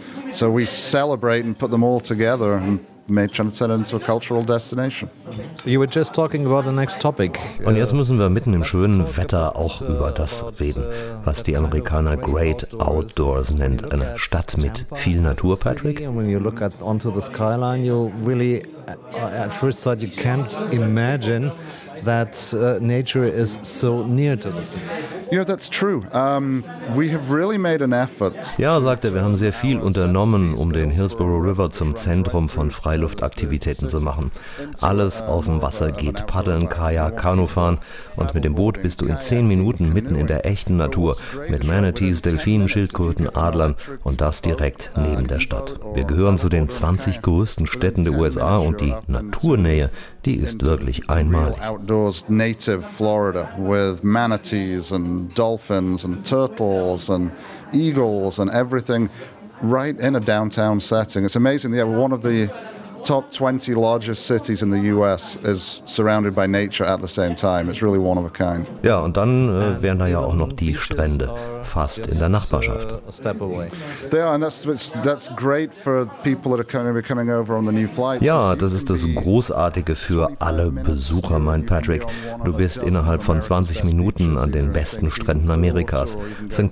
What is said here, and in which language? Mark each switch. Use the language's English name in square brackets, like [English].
[English] So we celebrate and put them all together and make Transcend into a cultural destination. You were just talking about the next topic. [German] Und jetzt müssen wir mitten im schönen Wetter auch über das reden, was die Amerikaner Great Outdoors nennt, eine Stadt mit viel Natur, Patrick. [English] When you look at onto the skyline, you really at first sight you can't imagine that nature is so near to us. Yeah, that's true. We have really made an effort. [German] Ja, sagte, wir haben sehr viel unternommen, um den Hillsborough River zum Zentrum von Freiluftaktivitäten zu machen. Alles auf dem Wasser geht, paddeln, Kajak, Kanufahren, und mit dem Boot bist du in 10 Minuten mitten in der echten Natur mit Manatees, Delfinen, Schildkröten, Adlern und das direkt neben der Stadt. Wir gehören zu den 20 größten Städten der USA und die Naturnähe, die ist wirklich einmalig. [English] Outdoors native Florida with manatees and dolphins and turtles and eagles and everything right in a downtown setting. It's amazing. Yeah, one of the top 20 largest cities in the US is surrounded by nature at the same time. It's really one of a kind. [German] Ja, und dann wären da ja auch noch die Strände fast in der Nachbarschaft. Ja, das ist das Großartige für alle Besucher, meint Patrick. Du bist innerhalb von 20 Minuten an den besten Stränden Amerikas. St.